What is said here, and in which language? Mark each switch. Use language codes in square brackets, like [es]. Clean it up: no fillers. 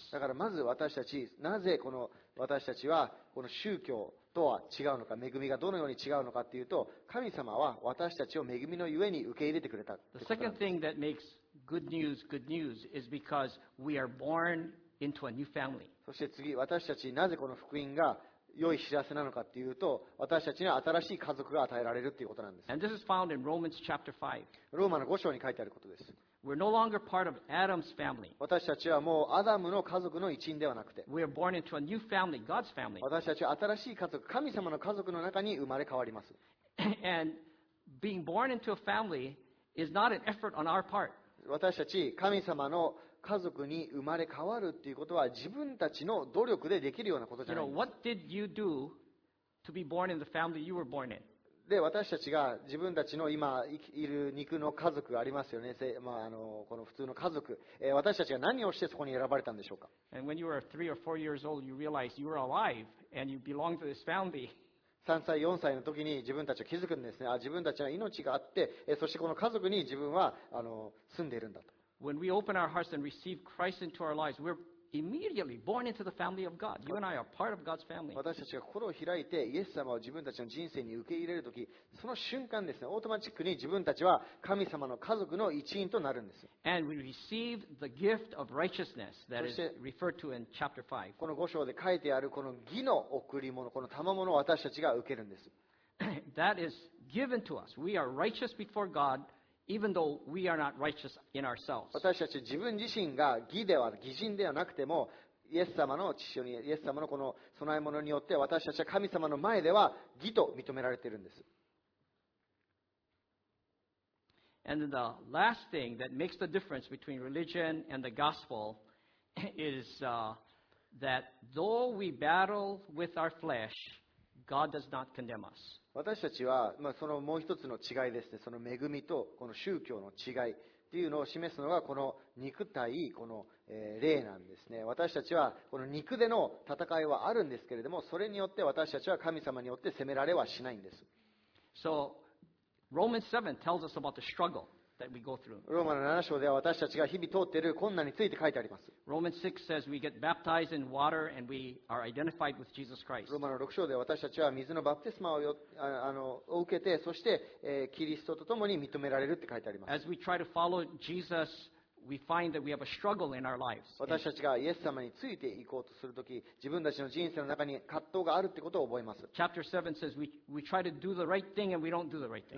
[ja] だからまず私たち、なぜこの私たちはこの宗教とは違うのか、恵みがどのように違うのかっていうと、神様は私たちを恵みのゆえに受け入れてくれた。 [en] The second thing that makes good news is because we are born into a new family. [ja] そして次、私たちなぜこの福音が良い知らせなのかっていうと、私たちには新しい家族が与えられるっていうことなんです。 [en] And this is found in Romans chapter 5. [ja] ローマの5章に書いてあることです。 [en] We're no longer part of Adam's family. [ja] 私たちはもうアダムの家族の一員ではなくて、 [en] We are born into a new family, God's family. [ja] 私たちは新しい家族、神様の家族の中に生まれ変わります。 [en] And being born into a family is not an effort on our part. [ja] 私たち、神様の家族に生まれ変わるっていうことは自分たちの努力でできるようなことじゃない。 [en] You know, what did you do to be born in the family you were born in? [ja] で、私たちが自分たちの今いる肉の家族がありますよね。まあ、あのこの普通の家族、私たちが何をしてそこに選ばれたんでしょうか。 [en] And when you were three or four years old, you realized you were alive and you belonged to this family. [ja] 3歳、4歳の時に自分たちは気づくんですね。あ、自分たちは命があって、そしてこの家族に自分は住んでいるんだと。 [en] When we open our hearts and receive Christ into our lives, we're immediately born into the family of God. You and I are part of God's family. [ja] 私たちが心を開いてイエス様を自分たちの人生に受け入れるとき、その瞬間ですね、オートマチックに自分たちは神様の家族の一員となるんです。 [en] And we receive the gift of righteousness that is referred to in chapter 5. [ja] この5章で書いてあるこの義の贈り物、この賜物を私たちが受けるんです。 [en] That is given to us. We are righteous before God Even though we are not righteous in ourselves. [ja] 私たち自分自身が義では義人ではなくても、イエス様の父にイエス様のこの備え物によって私たちは神様の前では義と認められているんです。 [en] And the last thing that makes the difference between religion and the gospel is that though we battle with our flesh, God does not condemn us. [ja] 私たちは、まあ、そのもう一つの違いですね、その恵みとこの宗教の違いっていうのを示すのがこの肉体、この、例なんですね。私たちはこの肉での戦いはあるんですけれども、それによって私たちは神様によって責められはしないんです。 [en] So, Romans 7 tells us about the struggle that we go through. [ja] ローマの7章では私たちが日々通っている困難について書いてあります。 [en] Romans 6 says we get baptized in water and we are identified with Jesus Christ. [ja] ローマの6章では私たちは水のバプテスマを受けて、そして、キリストと共に認められるって書いてあります。 [en] As we try to follow Jesus, we find that we have a struggle in our lives. [ja] 私たちがイエス様についていこうとするとき、自分たちの人生の中に葛藤があるってことを覚えます。 [en] Chapter 7 says we try to do the right thing and we don't do the right thing.